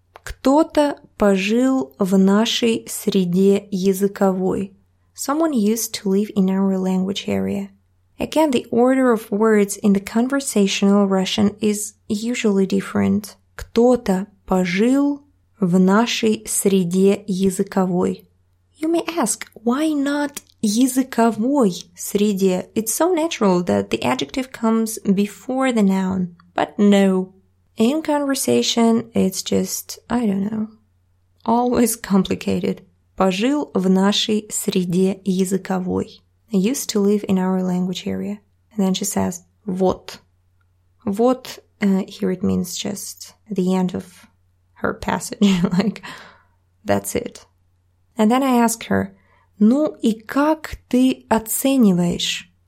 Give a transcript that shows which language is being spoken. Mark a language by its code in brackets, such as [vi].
[ru] Кто-то пожил в нашей среде языковой. [en] Someone used to live in our language area. Again, the order of words in the conversational Russian is usually different. [ru] Кто-то пожил в нашей среде языковой. [en] You may ask, why not [ru] языковой среде? [en] It's so natural that the adjective comes before the noun. But no. In conversation, it's just, I don't know, always complicated. [ru] Пожил в нашей среде языковой. [en] I used to live in our language area. And then she says, вот. Вот, here it means just the end of her passage. Like, that's it. And then I ask her, [ru] ну и как ты оцениваешь?